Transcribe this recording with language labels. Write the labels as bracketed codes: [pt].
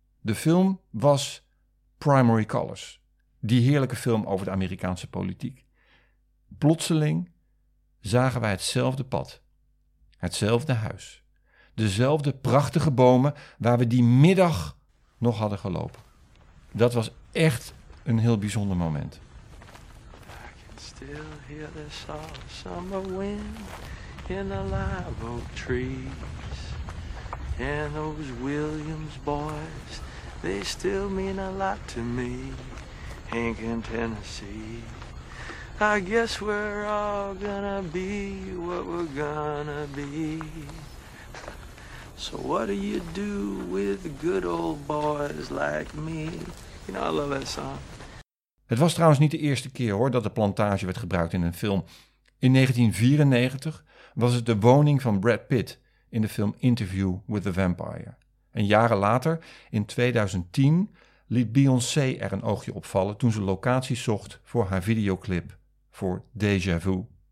[nl] De film was Primary Colors, die heerlijke film over de Amerikaanse politiek. Plotseling zagen wij hetzelfde pad, hetzelfde huis, dezelfde prachtige bomen waar we die middag nog hadden gelopen. Dat was echt een heel bijzonder moment. [en] I can still hear the soft summer wind in the live oak trees. And those Williams boys, they still mean a lot to me. Hank in Tennessee. I guess we're all gonna be what we're gonna be. So what do you do with good old boys like me? You know, I love that song. [nl] Het was trouwens niet de eerste keer hoor dat de plantage werd gebruikt in een film. In 1994 was het de woning van Brad Pitt in de film Interview with the Vampire. En jaren later, in 2010, liet Beyoncé er een oogje op vallen toen ze locatie zocht voor haar videoclip voor Deja Vu.